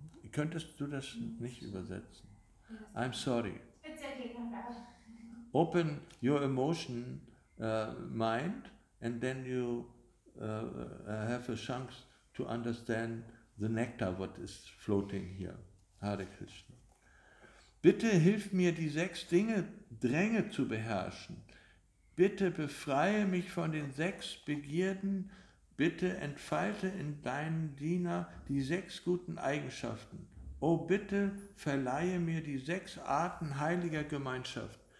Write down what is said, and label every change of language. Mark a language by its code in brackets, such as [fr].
[de] Könntest du das nicht übersetzen? [en] I'm sorry. Open your emotion mind and then you have a chance to understand the nectar, what is floating here. [sa] Hare Krishna. [de] Bitte hilf mir, die sechs Dinge, Dränge zu beherrschen. Bitte befreie mich von den sechs Begierden. Bitte entfalte in deinem Diener die sechs guten Eigenschaften. O bitte verleihe mir die sechs Arten heiliger Gemeinschaft.